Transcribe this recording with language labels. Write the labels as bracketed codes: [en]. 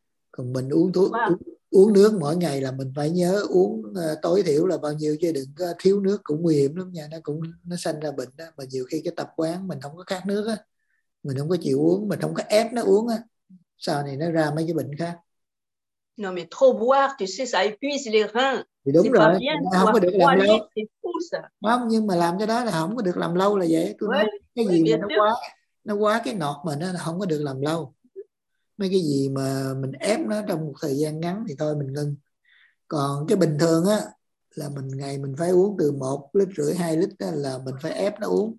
[vi] Còn mình uống thuốc... Uống nước mỗi ngày là mình phải nhớ uống tối thiểu là bao nhiêu chứ đừng có thiếu nước cũng nguy hiểm lắm nha. Nó sanh ra bệnh đó. Mà nhiều khi cái tập quán mình không có khát nước á. Mình không có chịu uống, mình không có ép nó uống á. Sau này nó ra mấy cái bệnh khác. [fr] Non mais trop boire, tu sais, ça épuise les reins. [vi] Thì đúng [fr] c'est [vi] rồi, [fr] pas bien, [vi] không có được làm lâu. Không, nhưng mà làm cái đó là không có được làm lâu là vậy. Tôi nói cái gì mà nó quá cái nọt mà nó không có được làm lâu. Mấy cái gì mà mình ép nó trong một thời gian ngắn thì thôi mình ngưng. Còn cái bình thường á là mình ngày mình phải uống từ 1.5 lít 2 lít á, là mình phải ép nó uống.